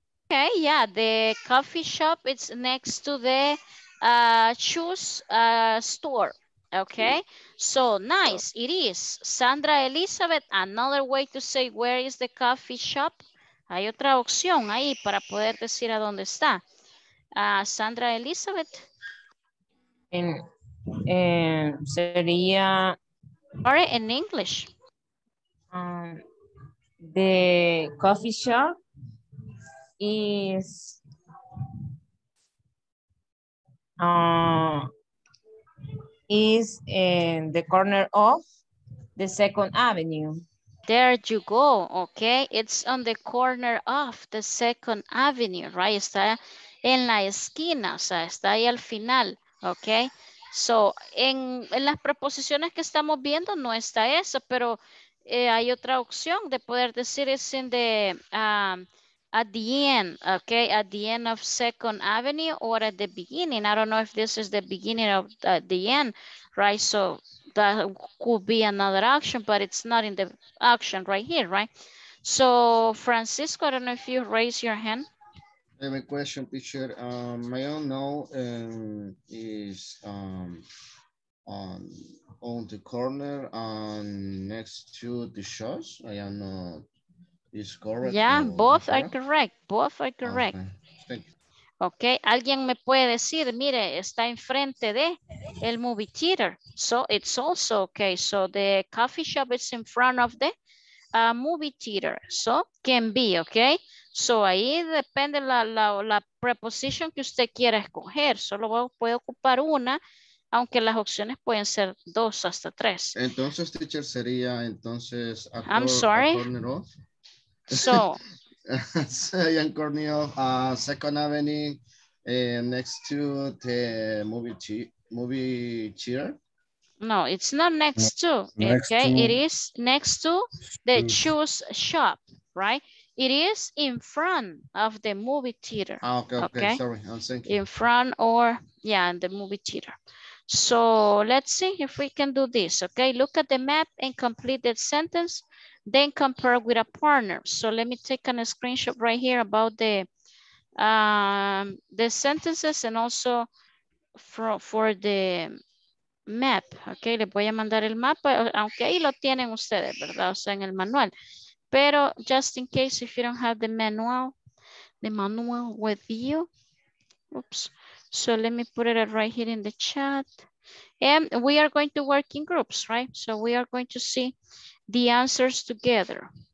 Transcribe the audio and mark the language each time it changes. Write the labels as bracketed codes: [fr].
[en] Okay, yeah, the coffee shop, it's next to the shoes store. Okay, so nice. It is Sandra Elizabeth. Another way to say where is the coffee shop. [es] Hay otra opción ahí para poder decir a dónde está. Sandra Elizabeth. Sería. [en] Sorry, in English. The coffee shop is in the corner of the Second Avenue. There you go. Okay, it's on the corner of the Second Avenue, right? [es] Está en la esquina, o sea, está ahí al final. Okay, so en las preposiciones que estamos viendo no está eso, pero hay otra opción de poder decir [en] it's in the at the end, okay, at the end of Second Avenue or at the beginning. I don't know if this is the beginning of the end, right? So that could be another option, but it's not in the option right here, right? So Francisco, I don't know if you raise your hand. I have a question, teacher. I don't know is on the corner and next to the shops. I am not is correct. Yeah, both are correct. Both are correct. [es] Okay, alguien me puede decir, mire, está enfrente de el movie theater. [en] So it's also okay. So the coffee shop is in front of the movie theater. So can be, okay. [es] So ahí depende la preposición que usted quiera escoger. Solo puede ocupar una, aunque las opciones pueden ser dos hasta tres. Entonces, teacher, sería entonces... [en] I'm sorry. So... in corner of Second Avenue, next to the movie theater? No, it's not next to, okay? It is next to the shoes shop, right? It is in front of the movie theater. Okay. Sorry, I'm thinking. In front or, yeah, in the movie theater. So let's see if we can do this, okay? Look at the map and complete that sentence, then compare with a partner. So let me take a screenshot right here about the sentences and also for the map, okay? [es] Les voy a mandar el mapa, aunque ahí lo tienen ustedes, ¿verdad? O sea, en el manual. [en] Pero just in case, if you don't have the manual with you, oops. So let me put it right here in the chat. And we are going to work in groups, right? So we are going to see the answers together.